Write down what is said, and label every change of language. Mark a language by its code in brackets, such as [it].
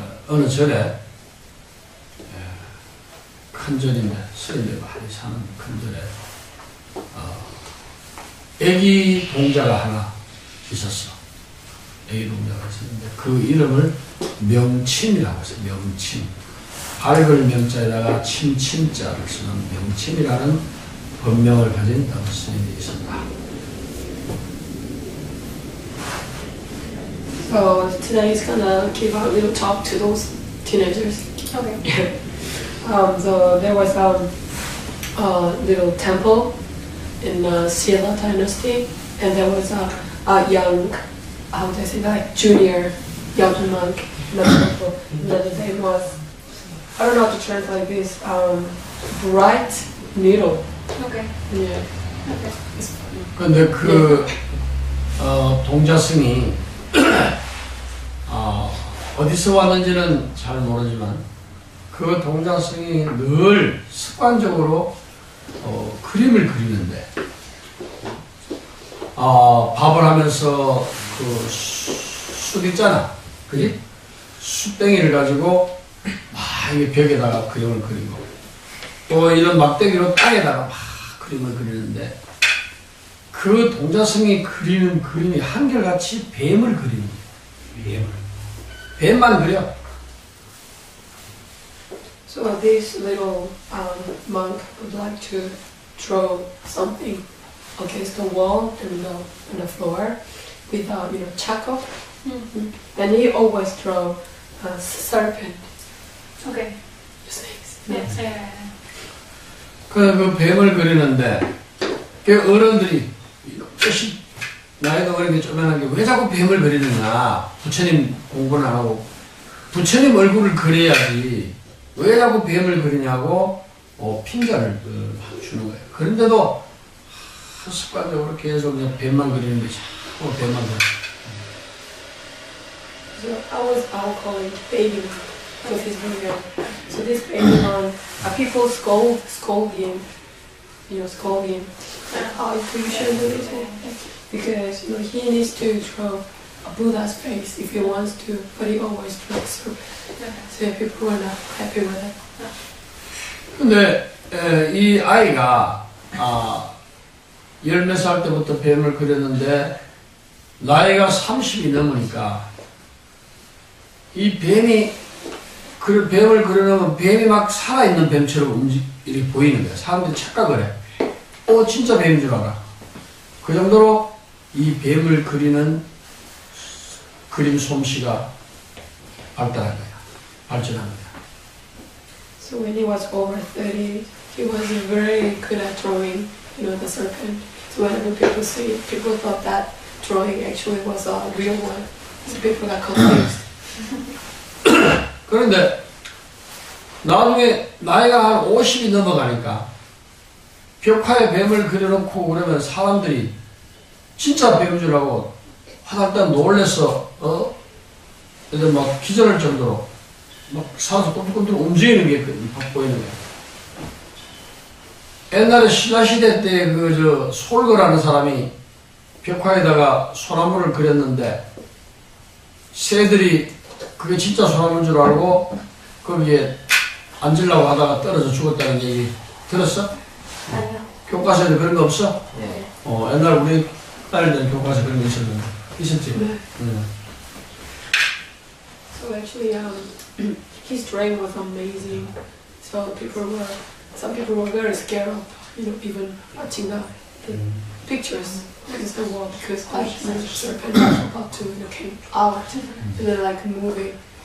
[ko] 어느 절에 큰 절인데 스님들 많이 사는 큰 절에 애기 동자가 하나 있었어. 애기 동자가 있었는데 그 이름을 명침이라고 했어. 명침. 밝을 명자에다가 침침자를 쓰는 명침이라는 법명을 가진 어떤 스님이 있었다. [en] So today he's gonna give a little talk to those teenagers. Okay. So there was a little temple in the Silla dynasty, and there was a young, how do I say that, junior young monk in the temple. And his name was, I don't know how to translate this, Bright Needle. Okay. Yeah. Okay. [ko] 근데 그 동자승이 어디서 왔는지는 잘 모르지만 그 동자승이 늘 습관적으로 그림을 그리는데 밥을 하면서 그 숯 있잖아, 그지? 숯땡이를 가지고 막 벽에다가 그림을 그리고 또 이런 막대기로 땅에다가 막 그림을 그리는데 그 동자승이 그리는 그림이 한결같이 뱀을 그리는 거야. 뱀을. 뱀만 그려. [en] So this little monk would like to draw something against the wall and the floor with charcoal. Mm-hmm. And he always draw a serpent. Okay. Snakes. Yes. [ko] 그래서 그 뱀을 그리는데 그 어른들이 역시 나이가 어린데 조그만한 게 왜 자꾸 뱀을 그리느냐. 부처님 공부는 안 하고 부처님 얼굴을 그려야지 왜 자꾸 뱀을 그리냐고 핑계를 막 주는 거예요. 그런데도 습관적으로 계속 그냥 뱀만 그리는 게 자꾸 뱀만 그려. [en] So I was calling baby because he's really good. So this baby man, people scold him. Scold him. You shouldn't do this because he needs to draw a Buddha's face if he wants to, but he always draws serpent. So people are not happy with it. [ko] 근데 이 아이가 열 몇 살 때부터 뱀을 그렸는데 나이가 30이 넘으니까 이 뱀이 그 뱀을 그려놓으면 뱀이 막 살아있는 뱀처럼 움직이 보이는 거야. 사람들이 착각을 해. 진짜 뱀인 줄 알아. 그 정도로 이 뱀을 그리는 그림 솜씨가 발달한 거야. 발전한 거야. [en] So when he was over 30, he was very good at drawing, the serpent. So when people see it, people thought that drawing actually was a real one. So people got confused. [ko] 그런데 나중에 나이가 한 50이 넘어가니까 벽화에 뱀을 그려놓고 그러면 사람들이 진짜 뱀인 줄 알고 화들짝 놀랐어. 그래서 막 기절할 정도로 막 사서 꼼꼼꼼 움직이는 게 막 보이는 거야. 옛날에 신라시대 때 솔거라는 사람이 벽화에다가 소나무를 그렸는데 새들이 그게 진짜 소나무인 줄 알고 거기에 앉으려고 하다가 떨어져 죽었다는 얘기 들었어? 교과서에 그런 거 없어? 네. 옛날 우리 딸들 교과서에 그런 게 있었지? 네. 네. [en] So actually, his dream was amazing. So some people were very scared of, even watching the pictures against the wall because the serpent was about to, came out in the movie.